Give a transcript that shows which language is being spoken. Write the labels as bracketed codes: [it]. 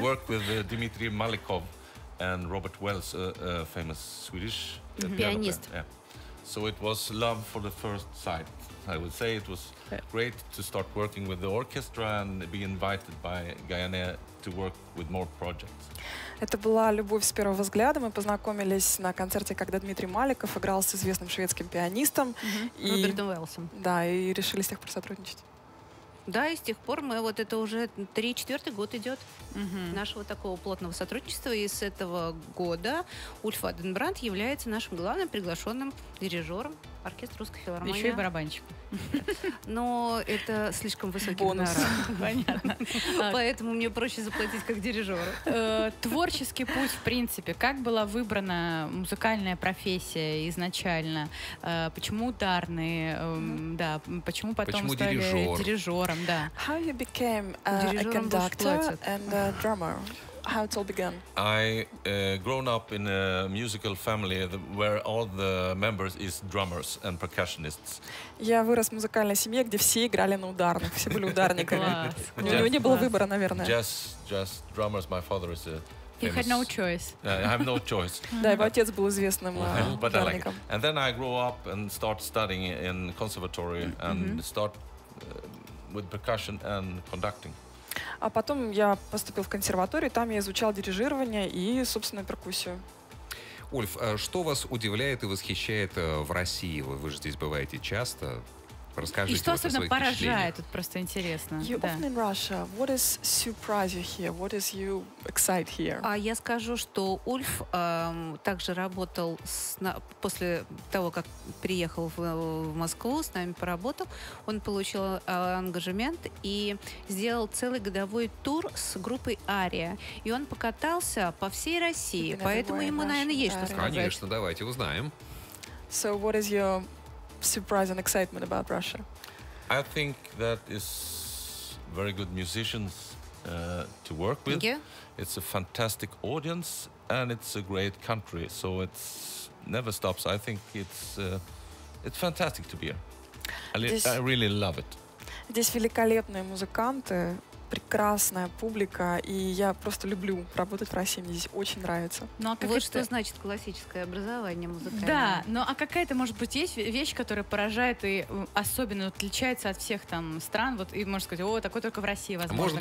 [en] Worked with Dmitry Malikov and Robert Wells, a famous Swedish pianist. Yeah. So it was love for the first sight. I would say it was great to start working with the orchestra and be invited by Gaine to work with more projects. [ru] Это была любовь с первого взгляда. Мы познакомились на концерте, когда Дмитрий Маликов играл с известным шведским пианистом. Робертом Уэллсом. Да, и решили с тех пор сотрудничать. Да, и с тех пор мы вот это уже 3-4 год идет нашего такого плотного сотрудничества. И с этого года Ульф Аденбрандт является нашим главным приглашенным дирижером оркестра Русской филармонии. Еще и барабанщик. Но это слишком высокий бонус. Понятно. Поэтому мне проще заплатить как дирижеру. Творческий путь, в принципе. Как была выбрана музыкальная профессия изначально? Почему ударные? Да, почему потом стали дирижером? Да. [en] How you became a conductor and a drummer? How it all began? I grown up in a musical family where all the members is drummers and percussionists. [ru] Я вырос в музыкальной семье, где все играли на ударных, все были ударниками. У него не было выбора, наверное. [en] Just drummers. My father is a. You had no choice. I have no choice. [ru] Да, его отец был известным ударником. [en] And then I grew up and start studying in conservatory and start with percussion and conducting. [ru] А потом я поступил в консерваторию, там я изучал дирижирование и, собственно, перкуссию. Ульф, а что вас удивляет и восхищает в России? Вы же здесь бываете часто. Расскажите. И что особенно поражает? Тут просто интересно. [en] You often in Russia. What is surprise you here? What is you excite here? [ru] А я скажу, что Ульф также работал после того, как приехал в Москву, с нами поработал. Он получил ангажемент и сделал целый годовой тур с группой Ария. И он покатался по всей России. Поэтому ему, наверное, есть что сказать. Конечно, давайте узнаем. [en] So what is your surprise and excitement about Russia? I think that is very good musicians to work with. Thank you. It's a fantastic audience and it's a great country, so it never stops. I think it's fantastic to be here. I really love it. [ru] Здесь великолепные музыканты, прекрасная публика, и я просто люблю работать в России, мне здесь очень нравится. Ну, а вот что значит классическое образование музыкальное. Да, но а какая-то, может быть, есть вещь, которая поражает и особенно отличается от всех там стран, вот, и можно сказать, о, такое только в России возможно.